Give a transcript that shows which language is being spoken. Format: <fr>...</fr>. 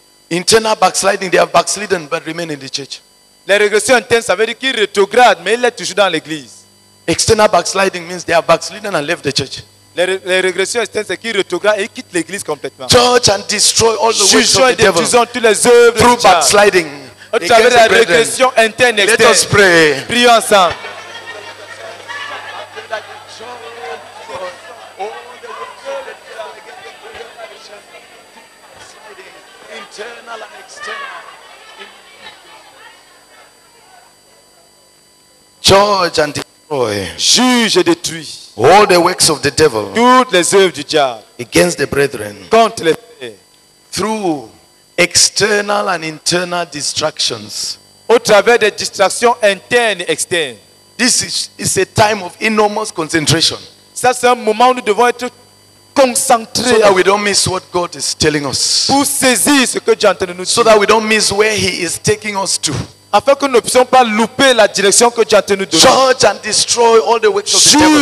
<en>Internal backsliding, they have backslidden but remain in the church.</en> <fr>Les régressions internes, ça veut dire qu'ils rétrogradent, mais ils sont toujours dans l'église.</fr> <en>External backsliding means they have backslidden and left the church.</en> <fr>Les régressions externes, c'est qu'ils rétrogradent et ils quittent l'église complètement.</fr> <en>Judge and destroy all the works of the devil.</en> <fr>Juge et détruis les œuvres</fr> <en>through backsliding.</en> <fr>Au travers de la régression interne et externe.</fr> <en>Let us pray.</en> <fr>Prions ensemble.</fr> <en>judge and destroy.</en> <fr>Juge et détruit.</fr> <en>All the works of the devil.</en> <fr>Toutes les œuvres du diable.</fr> <en>Against the brethren.</en> <fr>Contre les frères.</fr> <en>Through external and internal distractions.</en> <fr>Au travers des distractions internes et externes.</fr> <en>This is a time of enormous concentration.</en> <fr>Ça, c'est un moment où nous devons être concentrés.</fr> <en>So that we don't miss what God is telling us.</en> <fr>Pour saisir ce que Dieu entend nous dire.</fr> <en>So that we don't miss where He is taking us to.</en> <fr>Afin que nous ne puissions pas louper la direction que Dieu entend nous donner.</fr> <en>Judge and destroy all the works of the devil.</en>